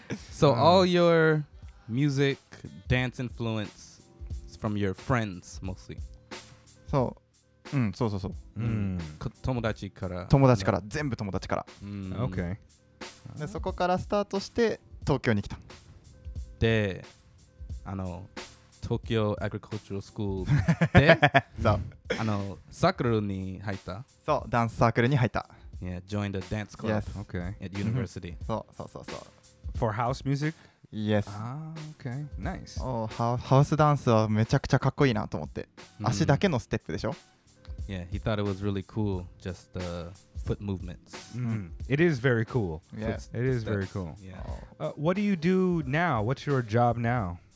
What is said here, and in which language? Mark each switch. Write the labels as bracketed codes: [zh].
[en] So all your music, dance influence is from your friends mostly. [ja] So... うん、そうそうそう。うん、友達から。友達から、全部友達から。 [en] OK。 [ja] で、そこからスタートして、東京に来た。で、東京アグリコーチャルスクールで、そう。サークルに入った。そう、ダンスサークルに入った。 [en] Yeah, joined a dance club. Yes. OK. At university. [ja] そうそうそうそう。 [en] For house music? Yes. OK. Nice. [ja] Oh, ハウスダンスはめちゃくちゃかっこいいなと思って。足だけのステップでしょ。 [en] Yeah, he thought it was really cool, just the foot movements. It is very cool. Yeah. It is very cool. Yeah. What do you do now? What's your job now?